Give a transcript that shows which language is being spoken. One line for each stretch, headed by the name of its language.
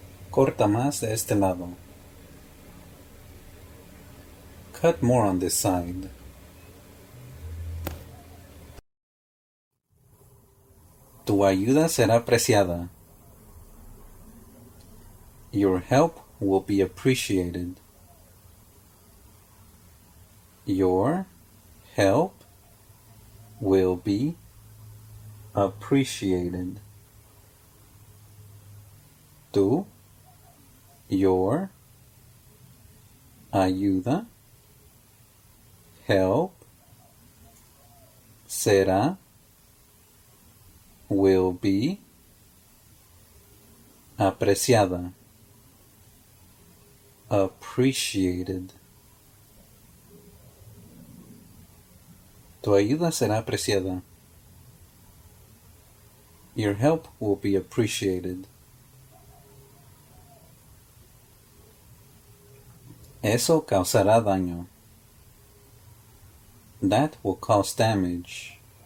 Spanish: Corta más de este lado.
English: Cut more on this side.
Spanish: Tu ayuda será apreciada.
English: Your help will be appreciated. Your help will be appreciated.
Spanish: Tu,
English: your,
Spanish: ayuda,
English: help,
Spanish: será,
English: will be,
Spanish: apreciada,
English: appreciated.
Spanish: Tu ayuda será apreciada.
English: Your help will be appreciated.
Spanish: Eso causará daño.
English: That will cause damage.